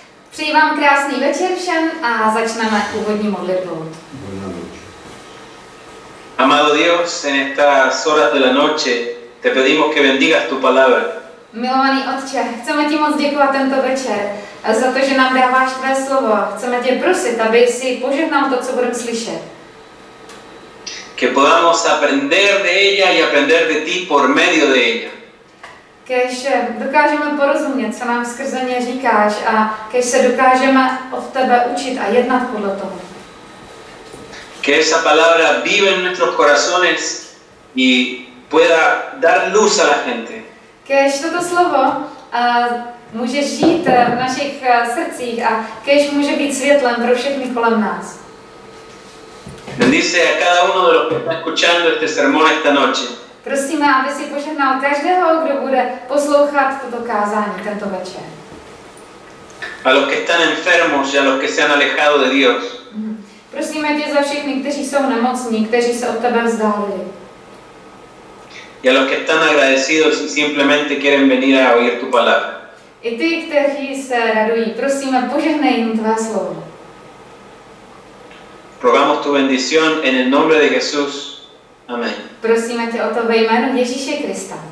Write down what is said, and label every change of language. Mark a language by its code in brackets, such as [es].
[cs] Přeji vám krásný večer všem a začneme úvodní modlitbou. [es] Amado Dios, en estas horas de la noche te pedimos que bendigas tu palabra. [cs] Milovaný Otče, chceme ti moc děkovat tento večer za to, že nám dáváš tvé slovo. Chceme tě prosit, aby si požehnal to, co budeme slyšet. [es] Que podamos aprender de ella y aprender de ti por medio de ella. [cs] Kéž dokážeme porozumět, co nám skrze ně říkáš a kéž se dokážeme od tebe učit a jednat podle toho. [es] Que esa palabra viva en nuestros corazones y pueda dar luz a la gente. [cs] Kéž toto slovo může žít v našich srdcích a kéž může být světlem pro všechny kolem nás. [es] Bendice a cada uno de los que está escuchando este sermón esta noche. [cs] Prosíme, aby si požehnal každého, kdo bude poslouchat toto kázání tento večer. [es] A los que están enfermos y a los que se han alejado de Dios. [cs] Prosíme tě za všechny, kteří jsou nemocní, kteří se od tebe vzdálili. [es] Y a los que están agradecidos y simplemente quieren venir a oír tu palabra. [cs] I ty, kteří se radují, prosíme, požehnej jim tvé slovo. [es] Rogamos tu bendición en el nombre de Jesús. Amén. [cs] Prosíme tě o to ve jménu Ježíše Krista.